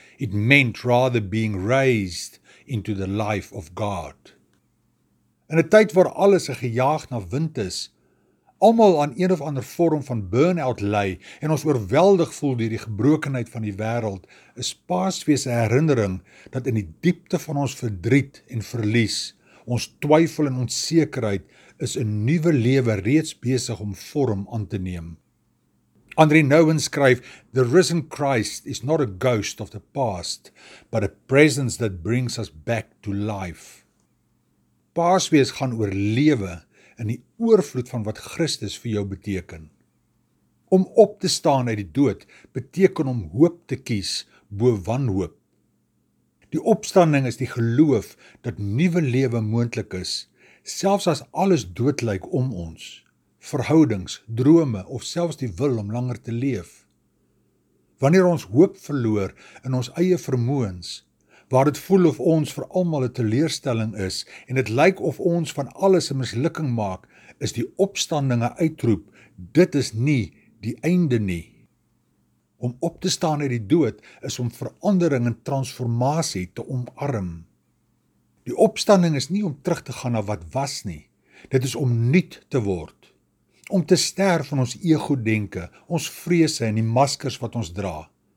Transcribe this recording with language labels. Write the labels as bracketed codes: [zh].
[en] It meant rather being raised into the life of God. [af] In 'n tyd waar alles 'n gejaag na wind is, almal aan een of ander vorm van burn-out ly en ons oorweldig voel deur die gebrokenheid van die wêreld, is Paasfees 'n herinnering dat in die diepte van ons verdriet en verlies, ons twyfel en onsekerheid, is 'n nuwe lewe reeds besig om vorm aan te neem. [en] André Nouwen skryf, the risen Christ is not a ghost of the past, but a presence that brings us back to life. [af] Paasfees gaan oor lewe in die oorvloed van wat Christus vir jou beteken. Om op te staan uit die dood beteken om hoop te kies bo wanhoop. Die opstanding is die geloof dat nuwe lewe moontlik is, selfs as alles dood lyk om ons. Verhoudings, drome of selfs die wil om langer te leef. Wanneer ons hoop verloor in ons eie vermoëns, waar dit voel of ons vir almal 'n teleurstelling is en dit lyk of ons van alles 'n mislukking maak, is die opstanding 'n uitroep, dit is nie die einde nie. Om op te staan uit die dood is om verandering en transformasie te omarm. Die opstanding is nie om terug te gaan na wat was nie, dit is om nuut te word. Om te sterf van ons ego-denke, ons vrese en die maskers wat ons dra.